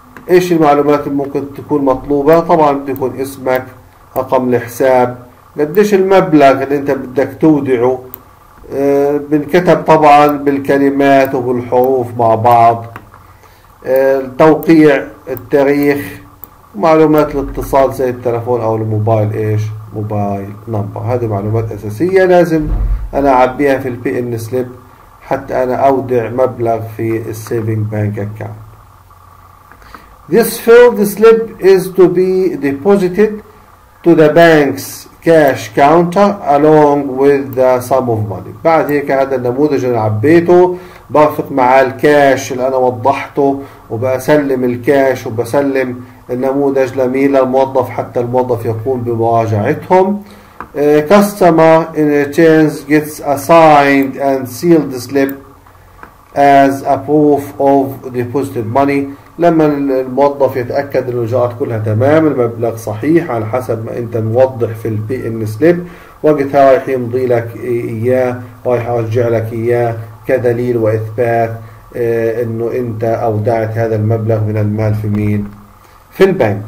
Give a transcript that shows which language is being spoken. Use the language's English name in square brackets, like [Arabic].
[Arabic] ايش المعلومات اللي ممكن تكون مطلوبة؟ طبعا بده يكون اسمك، رقم الحساب، قديش المبلغ اللي انت بدك تودعه، بنكتب طبعا بالكلمات وبالحروف مع بعض، التوقيع، التاريخ، معلومات الاتصال زي التلفون او الموبايل ايش موبايل نمبر. هذه معلومات اساسية لازم انا اعبيها في البي ان سليب حتى أنا أودع مبلغ في الـ [English] Saving Bank Account. This filled slip is to be deposited to the bank's cash counter along with the sum of money. [Arabic] بعد هيك هذا النموذج أنا عبيته برفق مع الكاش اللي أنا وضحته وبسلم الكاش وبسلم النموذج لميل الموظف حتى الموظف يقوم بمراجعتهم. [English] Customer in returns gets a signed and sealed slip as a proof of deposited money. [Arabic] لما الموظف يتأكد أن الإجراءات كلها تمام المبلغ صحيح على حسب ما أنت موضح في البي إن سليب وقتها رايح يمضي لك إياه رايح أرجع لك إياه كدليل وإثبات أنه أنت أودعت هذا المبلغ من المال في مين؟ في البنك.